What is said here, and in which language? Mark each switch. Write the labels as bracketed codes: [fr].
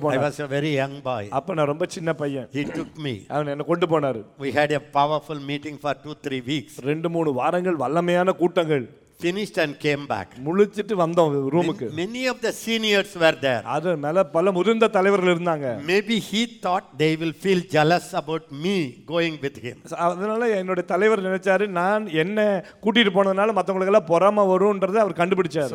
[ta] போனார். அப்ப நான் ரொம்ப சின்ன பையன். [en] He took me. [ta] அவன் என்னை கொண்டு போனார். [en] We had a powerful meeting for 2-3 weeks. [ta] ரெண்டு மூணு வாரங்கள் வல்லமையான கூட்டங்கள். [en] finished and came back. [ta] முழிச்சிட்டு வந்தோம் ரூமுக்கு. [en] Many of the seniors were there. [ta] அது மேல பல முதிர்ந்த தலைவர்கள் இருந்தாங்க. [en] Maybe he thought they will feel jealous about me going with him. [ta] அதனால என்னோட தலைவர் நினைச்சாரு நான் என்ன கூட்டிட்டு போனதுனால மத்தவங்களுக்கு எல்லாம் பொறாம வரும்ன்றது அவர் கண்டுபிடிச்சாரு.